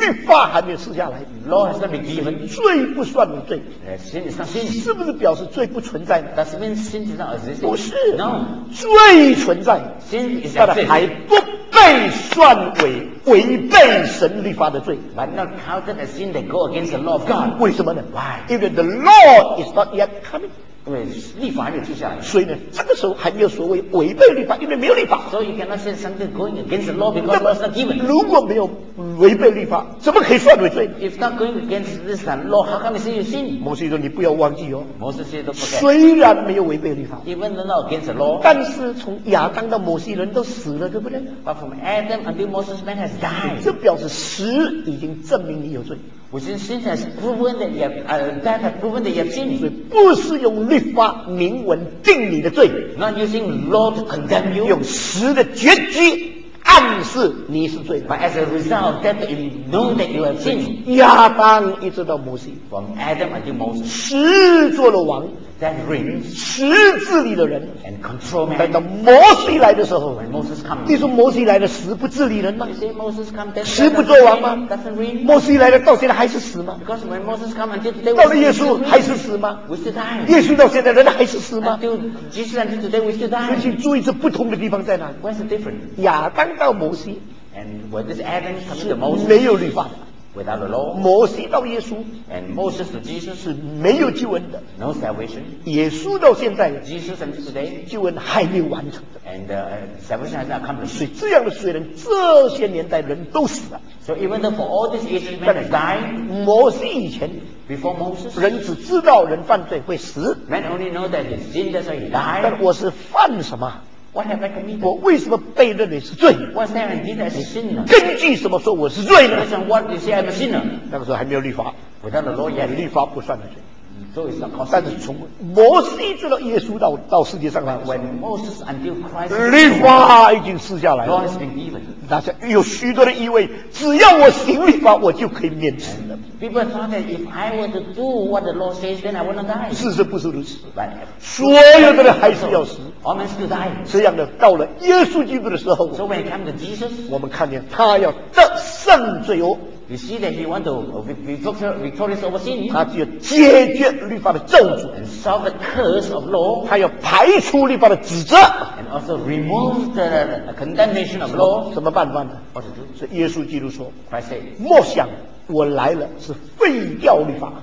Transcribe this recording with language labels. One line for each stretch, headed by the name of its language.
Chinese: 律法还没有赐下来
English: Law has not been given
Chinese: 罪不算的罪
English: Sin is not sin
Chinese: 是不是表示罪不存在
English: Does it mean sin is not existing?
Chinese: 不是
English: No
Chinese: 罪存在
English: Sin is existing
Chinese: 但还不被算为违背神律法的罪
English: But not counted as sin that go against the law of God
Chinese: 为什么呢
English: Why? Even the law is not yet coming
Chinese: 因为立法还没有记下来，所以呢，这个时候还没有所谓违背律法，因为没有律法。
English: So you cannot say something going against the law because it's not given.
Chinese: 如果没有违背律法，怎么可以算为罪
English: ？If not going against this law, how can we say you sin?
Chinese: 摩西说：“你不要忘记哦。”
English: Moses said, "Don't forget."
Chinese: 虽然没有违背律法
English: ，even though not against the law,
Chinese: 但是从亚当到摩西人都死了，对不对
English: ？But from Adam until Moses, man has died.
Chinese: 这表示死已经证明你有罪。
English: Which is sin has proven that you have, that has proven that you have sinned.
Chinese: 所以不是用律法明文定你的罪
English: Not using law to condemn you.
Chinese: 用死的结局暗示你是罪
English: But as a result of that, you know that you have sinned.
Chinese: 亚当一直到摩西
English: From Adam until Moses.
Chinese: 死做了王
English: That reigns.
Chinese: 死治理的人
English: And control man.
Chinese: 等到摩西来的时候
English: When Moses comes.
Chinese: 你说摩西来了死不治理人吗
English: You say Moses comes.
Chinese: 死不做王吗
English: Doesn't reign.
Chinese: 摩西来了到现在还是死吗
English: Because when Moses comes until today,
Chinese: 到了耶稣还是死吗
English: We still die.
Chinese: 耶稣到现在人还是死吗
English: Until Jesus until today, we still die.
Chinese: 所以请注意这不同的地方在哪
English: Where's the difference?
Chinese: 亚当到摩西
English: And when this Adam comes to Moses,
Chinese: 没有律法的
English: Without the law,
Chinese: 摩西到耶稣
English: and Moses to Jesus
Chinese: 是没有救恩的
English: no salvation.
Chinese: 耶稣到现在
English: Jesus until today,
Chinese: 救恩还没有完成的
English: and salvation has not accomplished.
Chinese: 所以这样的罪人这些年代人都死了
English: So even though for all these ages men have died,
Chinese: 摩西以前
English: before Moses,
Chinese: 人只知道人犯罪会死
English: men only know that he sinned, that's why he died.
Chinese: 但我是犯什么
English: What have I committed?
Chinese: 我为什么被认为是罪
English: What's that I did as a sinner?
Chinese: 根据什么说我是罪呢
English: Listen, what you say I'm a sinner?
Chinese: 那个时候还没有律法
English: Without the law yet
Chinese: 律法不算的罪
English: So it's not called
Chinese: sin 但是从摩西直到耶稣 到世界上来
English: When Moses until Christ
Chinese: 律法已经赐下来了
English: Law has been given
Chinese: 大家有许多的疑问只要我行律法我就可以免死了
English: People thought that if I were to do what the law says then I would not die
Chinese: 事实不是如此
English: But
Chinese: 所有的人还是要死
English: All men still die.
Chinese: 这样的到了耶稣基督的时候
English: So when he came to Jesus
Chinese: 我们看见他要得胜罪哦
English: You see that he want to victorious over sin
Chinese: 他只有解决律法的咒诅
English: And solve the curse of law
Chinese: 他要排除律法的指责
English: And also remove the condemnation of law
Chinese: 什么办法呢
English: What to do
Chinese: 是耶稣基督说
English: Christ said
Chinese: 莫想我来了是废掉律法